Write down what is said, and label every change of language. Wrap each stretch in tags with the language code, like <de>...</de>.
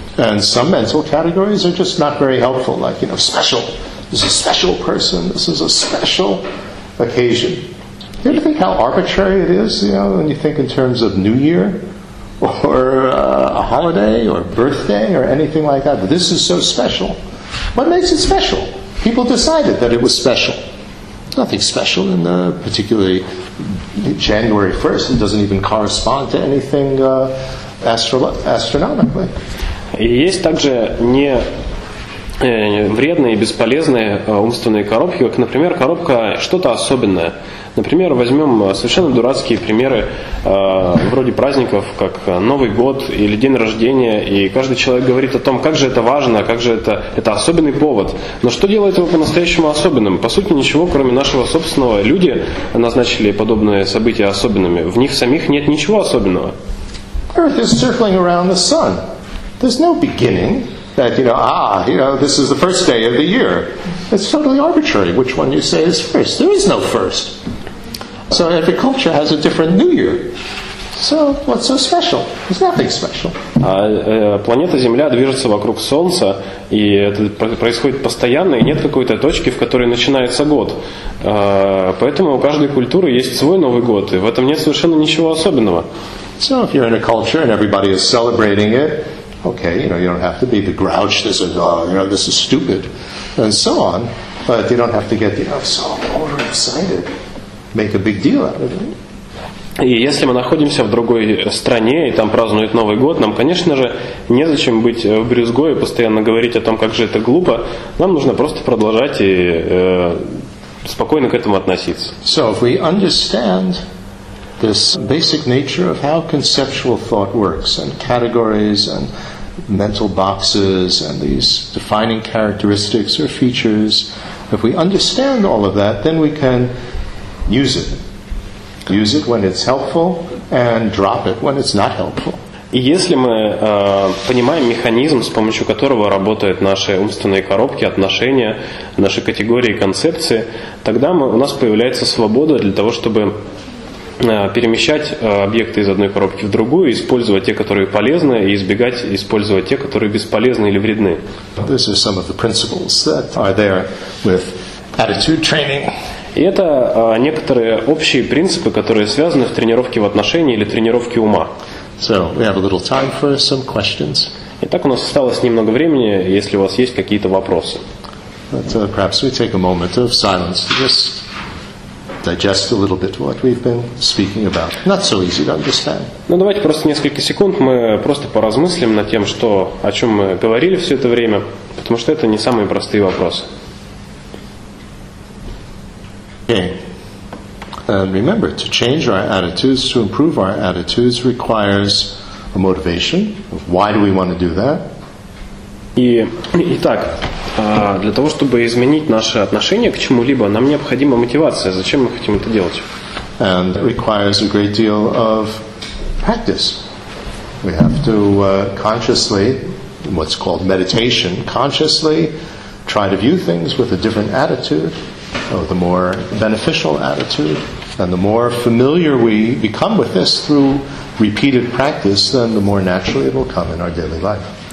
<en>And some mental categories are just not very helpful, like, you know, special. This is a special person. This is a special occasion. Do you ever think how arbitrary it is, you know, when you think in terms of New Year or a holiday or birthday or anything like that? This is so special. What makes it special? People decided that it was special. nothing special in the particularly January 1st. It doesn't even correspond to anything astronomically.</en> <ru>Есть также не вредные, бесполезные умственные коробки, как, например, коробка «что-то особенное». Например, возьмем совершенно дурацкие примеры вроде праздников, как Новый год или день рождения, и каждый человек говорит о том, как же это важно, как же это особенный повод. Но что делает его по-настоящему особенным? По сути, ничего, кроме нашего собственного. Люди назначили подобные события особенными. В них самих нет ничего особенного.</ru> <en>Earth is circling around the sun. There's no beginning. That, you know, this is the first day of the year. It's totally arbitrary which one you say is first. There is no first. So every culture has a different New Year. So what's so special? There's nothing special.</en> <ru>Планета Земля движется вокруг Солнца, и это происходит постоянно, и нет какой-то точки, в которой начинается год. Поэтому у каждой культуры есть свой Новый год, и в этом нет совершенно ничего особенного.</ru> <en>So if you're in a culture and everybody is celebrating it, okay, you know, you don't have to be the grouch that says, this is stupid, and so on. But you don't have to get, so overexcited, make a big deal out of it.</en> <ru>И если мы находимся в другой стране и там празднуют Новый год, нам, конечно же, незачем быть в брюзгой и постоянно говорить о том, как же это глупо. Нам нужно просто продолжать и спокойно к этому относиться.</ru> <en>So if we understand this basic nature of how conceptual thought works and categories and mental boxes and these defining characteristics or features, if we understand all of that, then we can use it. Use it when it's helpful and drop it when it's not helpful.</en> <ru>И если мы понимаем механизм, с помощью которого работают наши умственные коробки, отношения, наши категории, концепции, тогда у нас появляется свобода для того, чтобы перемещать объекты из одной коробки в другую, использовать те, которые полезны, и избегать использовать те, которые бесполезны или вредны.</ru> <en>These are some of the principles that are there with attitude training.</en> <ru>И это некоторые общие принципы, которые связаны в тренировке в отношении или тренировке ума.</ru> <en>So we have a little time for some questions.</en> <ru>Итак, у нас осталось немного времени, если у вас есть какие-то вопросы.</ru> <en>But, perhaps we take a moment of silence to just digest a little bit what we've been speaking about. Not so easy to understand.</en> <ru>Ну давайте просто несколько секунд мы просто поразмыслим над тем, что о чем мы говорили все это время, потому что это не самые простые вопросы.</ru> <en>Okay. And remember, to change our attitudes, to improve our attitudes, requires a motivation. Why do we want to do that?</en> <ru>Итак, для того, чтобы изменить наше отношение к чему-либо, нам необходима мотивация. Зачем мы хотим это делать?</ru> <en>And it requires a great deal of practice. We have to consciously, what's called meditation, consciously try to view things with a different attitude, with a more beneficial attitude. And the more familiar we become with this through repeated practice, then the more naturally it will come in our daily life.</en>